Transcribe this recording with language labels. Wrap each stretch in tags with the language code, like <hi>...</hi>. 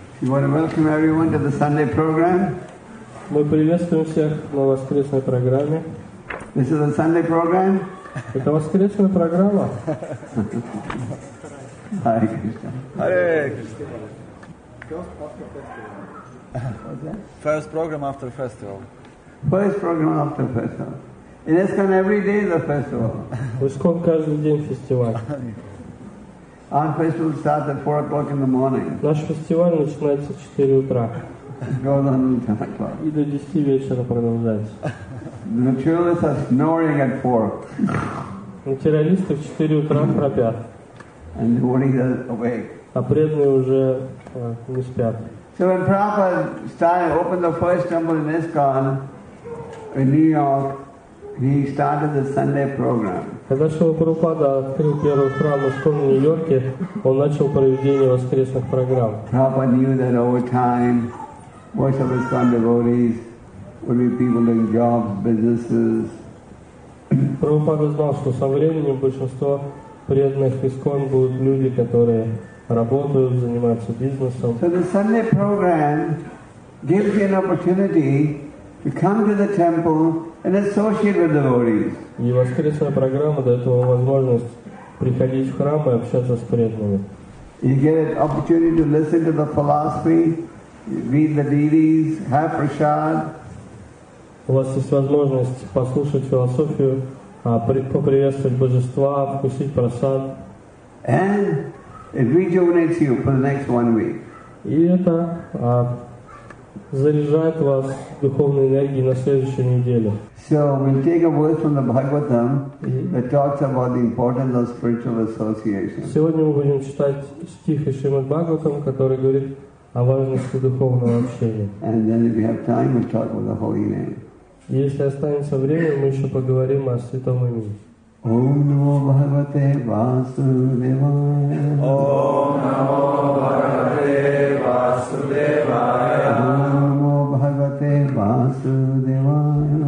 <en>We want to welcome everyone to the Sunday program.</en> <ru>Мы приветствуем всех на воскресной программе.</ru> <en>This is a Sunday program.</en> <ru>Это воскресная программа.</ru> <sa>Hare Krishna. Hare Krishna.</sa> <en>First program after festival. First program after festival. In ISKCON every day is a festival.</en> <ru>В ISKCON каждый день фестиваль.</ru> <en>Our festival starts at 4 o'clock in the morning.</en> <ru>Наш фестиваль начинается в 4 утра.</ru> <en>Goes on until 10 o'clock.</en> <ru>И до 10 вечера продолжается.</ru> <en>The materialists are snoring at 4.</en> <ru>Материалисты в 4 утра храпят.</ru> <en>And the devotees are awake.</en> <ru>А преданные уже не спят.</ru> <en>So when Prabhupada started, opened the first temple in ISKCON, in New York, he started the Sunday program.</en> <ru>Когда Шрила Прабхупада открыл первый храм в Нью-Йорке, он начал проведение воскресных программ.</ru> <en>Prabhupada knew that over time, most of his devotees would be people doing jobs, businesses.</en> <ru>Прабхупада знал, что со временем большинство преданных ИСККОН будут люди, которые работают, занимаются бизнесом.</ru> <en>So the Sunday program gives you an opportunity to come to the temple and associate with devotees.</en> <ru>И воскресная программа дает вам возможность приходить в храм и общаться с преданными.</ru> <en>You get an opportunity to listen to the philosophy, read the deities, have prasad.</en> <ru>У вас есть возможность послушать философию, поприветствовать божества, вкусить прасад.</ru> <en>And it rejuvenates you for the next 1 week.</en> <ru>И это заряжает вас духовной энергией на следующую неделю.</ru> <en>So we'll take a verse from the Bhagavatam that talks about the importance of spiritual association.</en> <ru>Сегодня мы будем читать стих из Шримад Бхагаватам, который говорит о важности духовного общения.</ru> <en>And then if we have time, we'll talk about the holy name.</en> <ru>Если останется время, мы еще поговорим о святом имени.</ru> <sa>Ом намо Бхагавате Васудевая. Ом намо Бхагавате Васудевая. Ом намо Бхагавате Васудевая.</sa>